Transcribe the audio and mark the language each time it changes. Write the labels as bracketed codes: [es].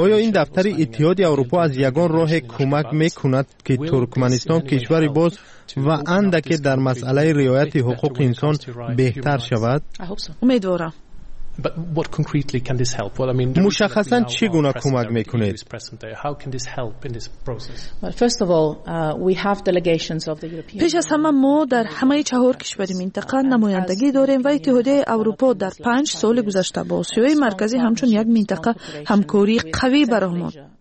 [fa] آیا این دفتر اتحادیه اروپا از یگان راه کمک میکند که ترکمنستان کشوری باز و اندکه در مسئله رعایت حقوق انسان بهتر شود؟ امیدوارم. [en] But what concretely can this help? Well, I mean, [fa] مشخصا چی گونه کمک میکنید؟ [en] How can this help in this process? Well, first of all, we have delegations of the European. [fa] پیش از همه ما در همه چهار کشور منطقه نمایندگی داریم و اتحادیه اروپا در 5 سال گذشته با آسیای مرکزی همچون یک منطقه همکاری قوی برآمد.